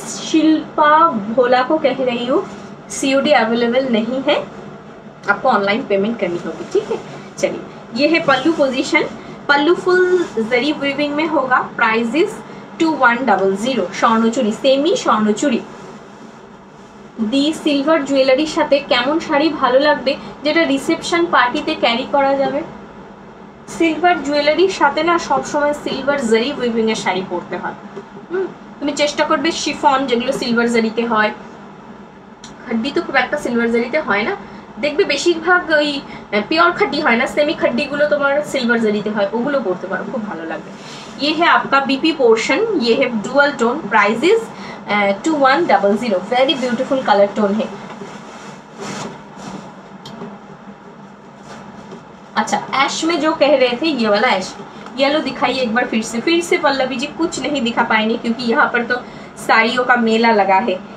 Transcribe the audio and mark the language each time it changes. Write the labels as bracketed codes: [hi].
[hi] शिल्पा भोला को कह रही हूँ COD अवेलेबल नहीं है, आपको ऑनलाइन पेमेंट करनी होगी, ठीक है। चलिए ये है पल्लू पोजीशन, पल्लू फुल जरी वीविंग में होगा, price is 2100, स्वर्णचूरी, semi स्वर्णचूरी। [bn] The silver jewellery সাথে কেমন শাড়ি ভালো লাগবে যেটা রিসেপশন পার্টিতে ক্যারি করা যাবে? সিলভার জুয়েলারির সাথে না সব সময় সিলভার জরি উইভিং এর শাড়ি পরতে হয়। তুমি চেষ্টা করবে শিফন, যেগুলো সিলভার জরিতে হয়, খড্ডি তো খুব একটা সিলভার জরিতে হয় না, দেখবে বেশিরভাগ ওই পিওর খড্ডি হয় না, সেমি খড্ডি গুলো তোমার সিলভার জরিতে হয়, ওগুলো পরতে পারো খুব ভালো লাগবে। [hi] ये है आपका बीपी पोर्शन, ये है dual tone, price is 2100, very beautiful colour tone है। अच्छा ऐश में जो कह रहे थे ये वाला ऐश, येलो दिखाइए एक बार फिर से पल्लवी जी, कुछ नहीं दिखा पाएंगे क्योंकि यहाँ पर तो साड़ियों का मेला लगा है।